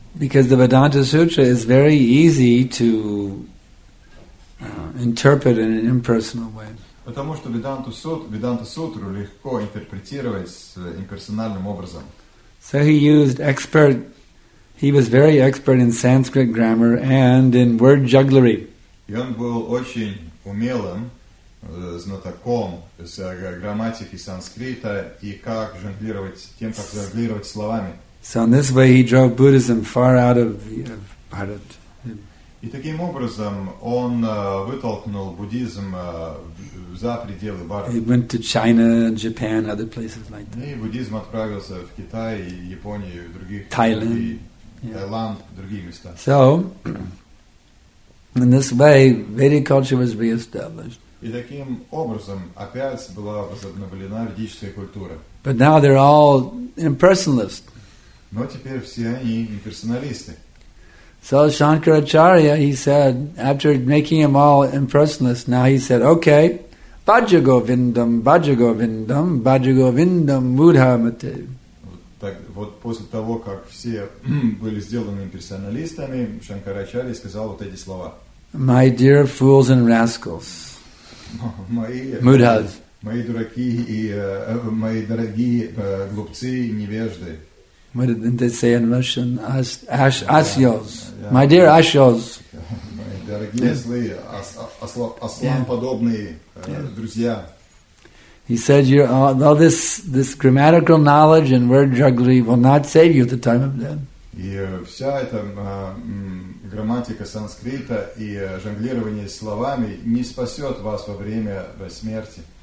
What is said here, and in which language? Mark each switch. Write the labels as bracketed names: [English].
[English] Because the Vedanta Sutra is very easy to interpret in an impersonal way. [Russian] Потому что Веданта Сутру легко интерпретировать имперсональным образом. [English] So he used expert, he was very expert in Sanskrit grammar and in word jugglery. [Russian] И он был очень умелым знатоком с грамматики санскрита и как жонглировать тем, как жонглировать словами. [English] So in this way he drove Buddhism far out of the of Bharat. [Russian] И таким образом он вытолкнул буддизм за пределы Бхарата. [English] He went to China, Japan, other places like that. [Russian] И буддизм отправился в Китай, Японию, в других [English] Thailand, [Russian] Таиланд, yeah. другие места. [English] So in this way Vedic culture was reestablished. [Russian] И таким образом опять была возобновлена ведическая культура. [English] But now they're all impersonalists. [Russian] Но теперь все они имперсоналисты. [English] So Shankaracharya, he said, after making them all impersonalist, now he said, okay, [Sanskrit] Bhajagovindam, Bhajagovindam, Bhajagovindam, Mudhamate. [Russian] Так вот после того, как все были сделаны имперсоналистами, Шанкарачарья сказал вот эти слова. [English] My dear fools and rascals. Mudhas. [Russian] Мои дураки и мои дорогие глупцы и невежды. [English] What did they say in Russian? Asyos. My dear Asyos. [Russian] Мои дорогие злые, аслан подобные друзья. [English] He said, all this grammatical knowledge and word jugglery will not save you at the time of death. [Russian] И вся эта грамматика санскрита и жонглирование словами не спасет вас во время смерти.